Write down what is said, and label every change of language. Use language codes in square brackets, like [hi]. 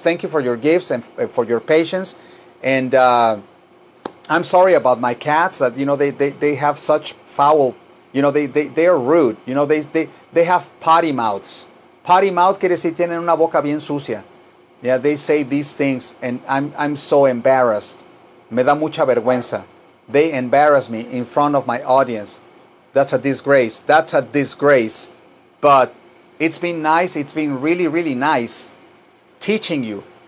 [en] Thank you for your gifts and for your patience. And I'm sorry about my cats that, you know, they have such foul. You know, they are rude. You know, they have potty mouths. [es] Potty mouth quiere decir tienen una boca bien sucia. [en] Yeah, they say these things and I'm so embarrassed. [es] Me da mucha vergüenza. [en] They embarrass me in front of my audience. That's a disgrace. That's a disgrace. But it's been nice. It's been really, really nice teaching you.